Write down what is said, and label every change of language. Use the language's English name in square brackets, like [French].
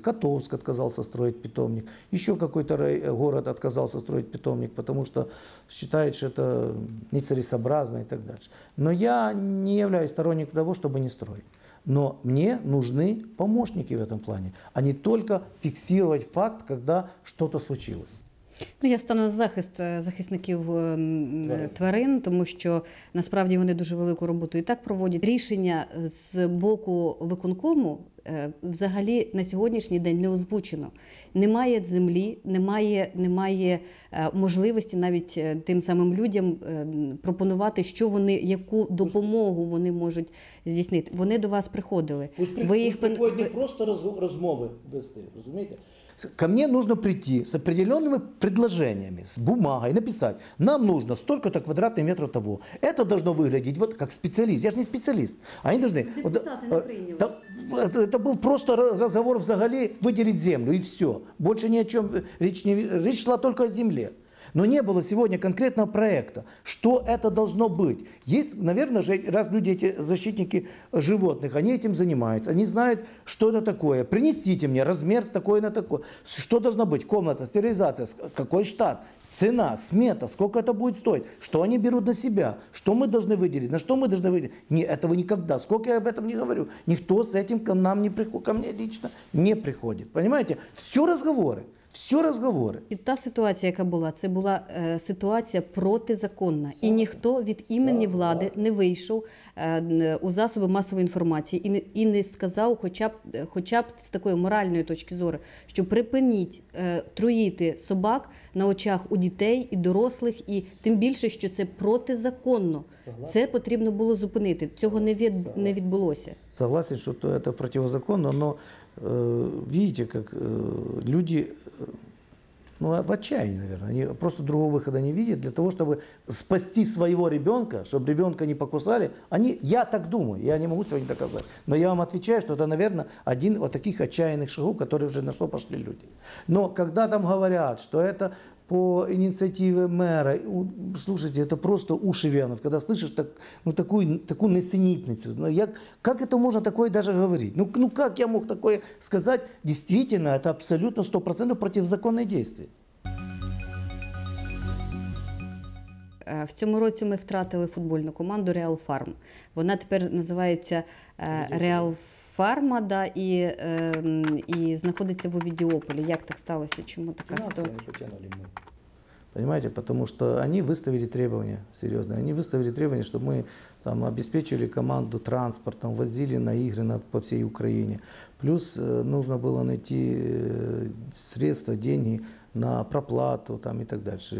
[Russian] Котовск отказался строить питомник. Еще какой-то город отказался строить питомник, потому что считает, что это нецелесообразно и так дальше. Но я не являюсь сторонником того, чтобы не строить. Но мне нужны помощники в этом плане, а не только фиксировать факт, когда что-то случилось. [Ukrainian] Ну, я стану на захист захисників тварин, тому що насправді вони дуже велику роботу і так проводять. Рішення з боку виконкому взагалі на сьогоднішній день не озвучено. Немає землі, немає можливості навіть тим самим людям пропонувати, що вони, яку допомогу вони можуть здійснити. Вони до вас приходили. Просто розмови вести, розумієте? [Russian] Ко мне нужно прийти с определенными предложениями, с бумагой, написать. Нам нужно столько-то квадратных метров того. Это должно выглядеть вот как специалист. Я же не специалист. Они должны... Депутаты вот, не приняли. Это был просто разговор взагалі выделить землю и все. Больше ни о чем речь не... Речь шла только о земле. Но не было сегодня конкретного проекта. Что это должно быть? Есть, наверное, же, раз люди, эти защитники животных, они этим занимаются, они знают, что это такое. Принесите мне размер такой на такой. Что должно быть? Комната, стерилизация, какой штат, цена, смета, сколько это будет стоить? Что они берут на себя? Что мы должны выделить? На что мы должны выделить? Нет, этого никогда. Сколько я об этом не говорю? Никто с этим ко нам не приходит, ко мне лично не приходит. Понимаете? Все разговоры. Все разговори. [Ukrainian] І та ситуація, яка була, це була ситуація протизаконна. Саме. І ніхто від імені Саме. Влади не вийшов у засоби масової інформації і не сказав хоча б з такої моральної точки зору, що припиніть труїти собак на очах у дітей і дорослих, і тим більше, що це протизаконно. Саме. Це потрібно було зупинити. Цього не відбулося. [Russian] Согласен, [Ukrainian] що це протизаконно, але [Russian] видите, как люди, ну, в отчаянии, наверное, они просто другого выхода не видят. Для того, чтобы спасти своего ребенка, чтобы ребенка не покусали, они, я так думаю, я не могу сегодня доказать. Но я вам отвечаю, что это, наверное, один вот таких отчаянных шагов, которые уже на что пошли люди. Но когда там говорят, что это по инициативе мэра, слушайте, это просто уши вянут, когда слышишь так, ну, такую несенитницу. Ну, как это можно такое даже говорить? Ну как я мог такое сказать? Действительно, это абсолютно 100% противозаконное действие. [Ukrainian] В цьому році ми втратили футбольну команду Real Farm. Вона тепер називається Real Farma, да, і знаходиться в Овідіополі. Як так сталося? Чому така ситуація? [Russian] Понимаете, потому что они выставили требования серьезные. Они выставили требования, чтобы мы там обеспечивали команду транспортом, возили на игры по всей Украине. Плюс нужно было найти средства, деньги на проплату там, и так дальше.